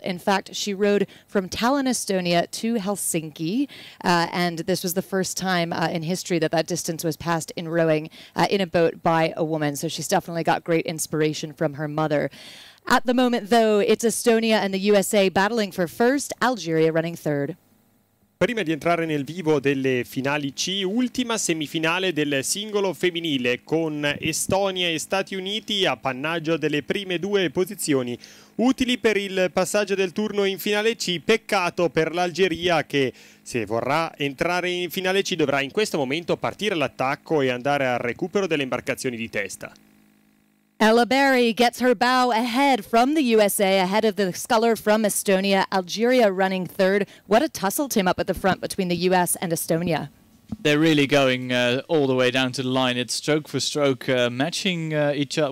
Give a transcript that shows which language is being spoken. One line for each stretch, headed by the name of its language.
English: In fact, she rode from Tallinn, Estonia to Helsinki, and this was the first time in history that that distance was passed in rowing in a boat. out by a woman, so she's definitely got great inspiration from her mother. At the moment, though, it's Estonia and the USA battling for first, Algeria running third.
Italian: Prima di entrare nel vivo delle finali C, ultima semifinale del singolo femminile con Estonia e Stati Uniti, appannaggio delle prime due posizioni utili per il passaggio del turno in finale C. Peccato per l'Algeria che, se vorrà entrare in finale C, dovrà in questo momento partire all'attacco e andare al recupero delle imbarcazioni di testa.
English: Ella Berry gets her bow ahead from the USA, ahead of the sculler from Estonia, Algeria running third. What a tussle team up at the front between the US and Estonia. They're really going all the way down to the line. It's stroke for stroke, matching each other.